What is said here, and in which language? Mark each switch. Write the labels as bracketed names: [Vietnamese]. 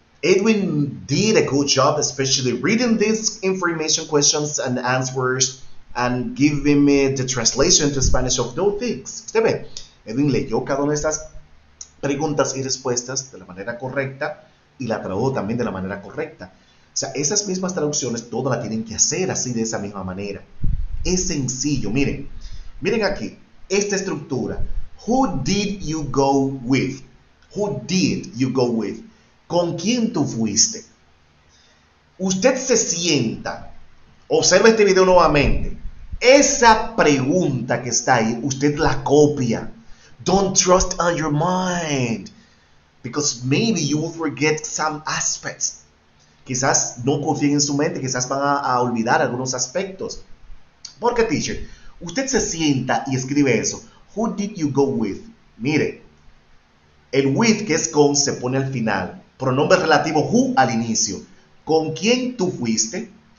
[English] Edwin did a good job, especially reading these information questions and answers and giving me the translation to Spanish of those things. [Spanish] Usted ve, Edwin leyó cada una de estas preguntas y respuestas de la manera correcta y la tradujo también de la manera correcta. O sea, esas mismas traducciones todas la tienen que hacer así de esa misma manera. Es sencillo. Miren, miren aquí, esta estructura. [English] Who did you go with? Who did you go with? [Spanish] ¿Con quién tú fuiste? Usted se sienta, observa este video nuevamente. Esa pregunta que está ahí, usted la copia. [English] Don't trust on your mind, because maybe you will forget some aspects. [Spanish] Quizás no confíen en su mente, quizás van a olvidar algunos aspectos. Porque, teacher, usted se sienta y escribe eso. [English] Who did you go with? [Spanish] Mire, el with que es con se pone al final. Pronombre relativo who al inicio. ¿Con quién tú fuiste?